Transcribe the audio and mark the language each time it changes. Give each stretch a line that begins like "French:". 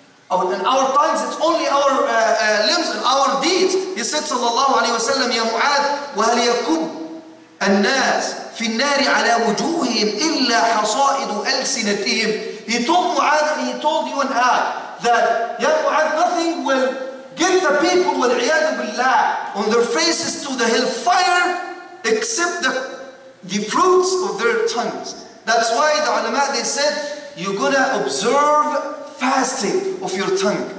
English: In our tongues, it's only our limbs and our deeds. He said
Arabic: صلى الله عليه وسلم يا معاذ وهل يكب الناس في النار على وجوههم إلا حصائد ألسنتهم.
English: He told Mu'adh, he told you and I that ya Mu'adh, nothing will get the people
Arabic: والعياذ بالله
English: on their faces to the hellfire except the fruits of their tongues. That's why the ulama, they said you're gonna observe fasting of your tongue.